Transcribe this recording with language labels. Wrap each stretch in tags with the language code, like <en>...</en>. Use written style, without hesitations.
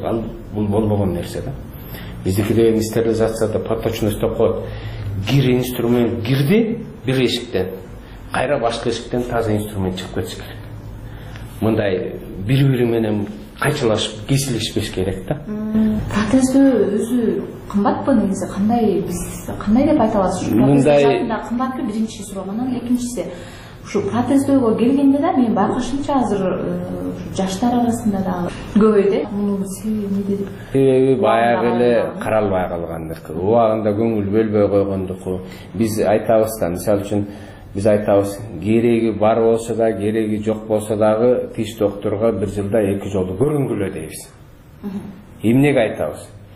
<ky>Ал бул болбогон нерсе да. Биздики деген стерилизацияда поточность деп коет. Кир инструмент кирди бир эшиктен, кайра башка эшиктен таза инструмент чыгып кетиш керек. Мындай бири бири менен кайчылашып кесилишпеш керек да.</ky> <kk>Протезді өзі қымбат па негізі? Қандай деп айта аласыз? Протезда қымбат па бірінші сұрағанан,</kk> <ky>екіншісі ушу протездөөгө келгенде да мен байкашымча азыр жаштар арасында да көбөйдү. Мунун себеби эмнеде? Себеби баягы эле каралбай калгандыкы, убагында көңүл бөлбөй койгондуку. Биз айтабыз да, мисалы үчүн биз айтабыз, кереги бар болсо да, кереги жок болсо дагы тиш доктурга бир жылда эки жолу көрүнгүлө дейбиз. Эмнеге айтабыз?</ky>